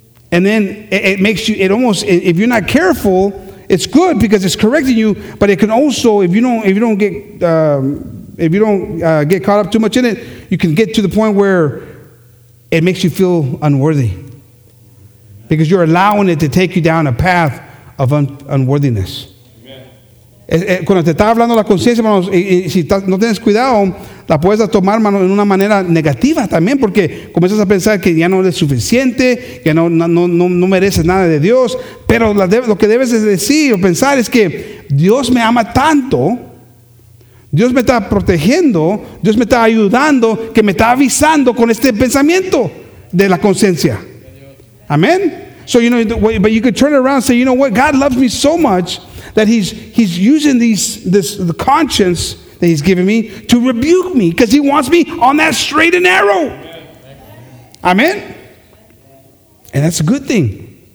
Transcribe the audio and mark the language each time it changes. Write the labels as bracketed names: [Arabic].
[English] And then it makes you, it almost, if you're not careful, it's good because it's correcting you, but it can also, if you don't get caught up too much in it, you can get to the point where it makes you feel unworthy, because you're allowing it to take you down a path of unworthiness. [Spanish] Cuando te está hablando la conciencia, hermanos, y si no tienes cuidado, la puedes tomar, hermano, en una manera negativa también, porque comienzas a pensar que ya no eres suficiente, que no mereces nada de Dios. Pero lo que debes decir o pensar es que Dios me ama tanto, Dios me está protegiendo, Dios me está ayudando, que me está avisando con este pensamiento de la conciencia. Amén. [English] So, you know, but you could turn around and say, you know what, God loves me so much that he's using the conscience that he's given me to rebuke me, because he wants me on that straight and narrow. Amen. And that's a good thing.